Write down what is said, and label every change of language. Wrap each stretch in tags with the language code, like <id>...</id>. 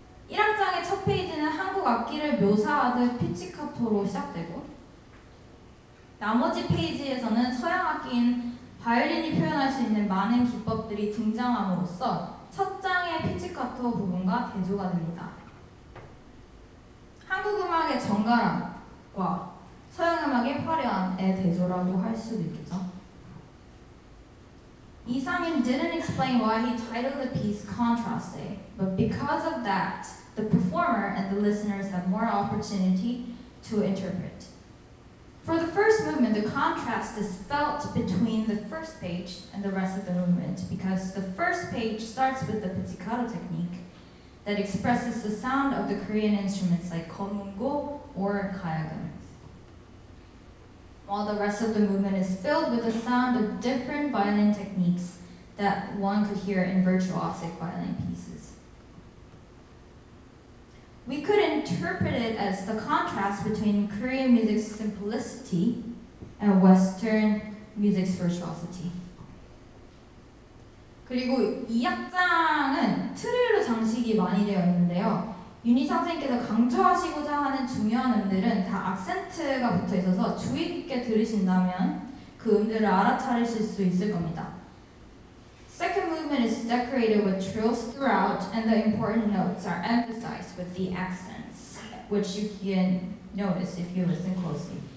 <ko>1악장의 첫 페이지는 한국 악기를 묘사하듯 피치카토로 시작되고 나머지 페이지에서는 서양 악기인 바이올린이 표현할 수 있는 많은 기법들이 등장함으로써 첫 장의 피치카토 부분과 대조가 됩니다. 한국 음악의 정갈함과 서양 음악의 화려함의 대조라고 할 수도 있겠죠.</ko> <en>이상인 didn't explain why he titled the piece Contrast Day, but because of that, the performer and the listeners have more opportunity to interpret. For the first movement, the contrast is felt between the first page and the rest of the movement because the first page starts with the pizzicato technique that expresses the sound of the Korean instruments like konungo or kayagun. While the rest of the movement is filled with the sound of different violin techniques that one could hear in virtuosic violin pieces. We could interpret it as the contrast between Korean music's simplicity and Western music's virtuosity.</en> <ko>그리고 2악장은 트릴로 장식이 많이 되어 있는데요. 윤희 선생님께서 강조하시고자 하는 중요한 음들은 다 악센트가 붙어 있어서 주의 깊게 들으신다면 그 음들을 알아차리실 수 있을 겁니다.</ko> <en>Second movement is decorated with trills throughout and the important notes are emphasized with the accents which you can notice if you listen closely.</en>